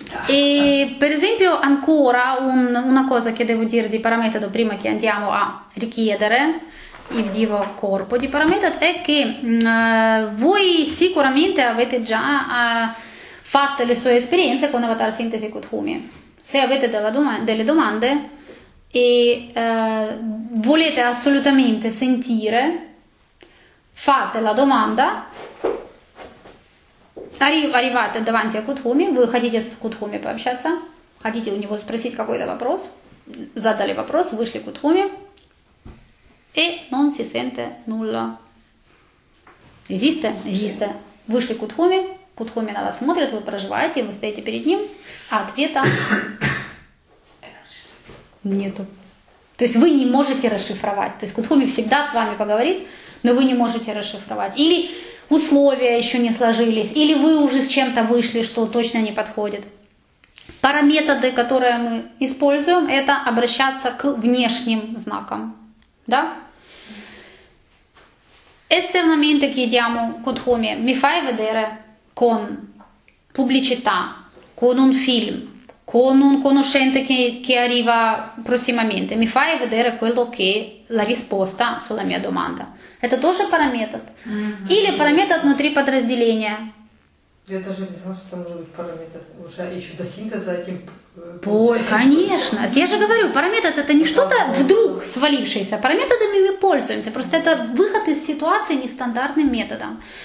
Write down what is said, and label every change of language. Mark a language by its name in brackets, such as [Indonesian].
[Italian] E per esempio ancora una cosa che devo dire di parametodo prima che andiamo a richiedere il divo corpo di parametodo è che voi sicuramente avete già fatto le sue esperienze con Avatar Sintesi Kutumi. Se avete delle domande e volete assolutamente sentire, fate la domanda. Arrivate davanti a [Russian] Кутхуми, вы хотите с Кутхуми пообщаться, хотите у него спросить какой-то вопрос, задали вопрос, вышли к Кутхуми, и [Italian] non si sente nulla. Existe? Existe. [Russian] Вышли к Кутхуми, Кутхуми на вас смотрит, вы проживаете, вы стоите перед ним, а ответа нету. То есть вы не можете расшифровать, то есть Кутхуми всегда с вами поговорит, но вы не можете расшифровать. Или условия еще не сложились, или вы уже с чем-то вышли, что точно не подходит. Параметоды, которые мы используем, это обращаться к внешним знакам. Да? [Italian] Esternamente chiediamo Кутхуми, mi fai vedere con pubblicità, con un film, con un conoscente che arriva prossimamente, mi fai vedere quello che è la risposta sulla mia domanda. [Russian] Это тоже параметр. Mm-hmm. Или параметр внутри подразделения. Я даже не знала, что там может быть параметр. Уже еще до синтеза этим... Конечно. Я же говорю, параметр это не что-то вдруг свалившееся. Параметрами мы пользуемся. Просто это выход из ситуации нестандартным методом.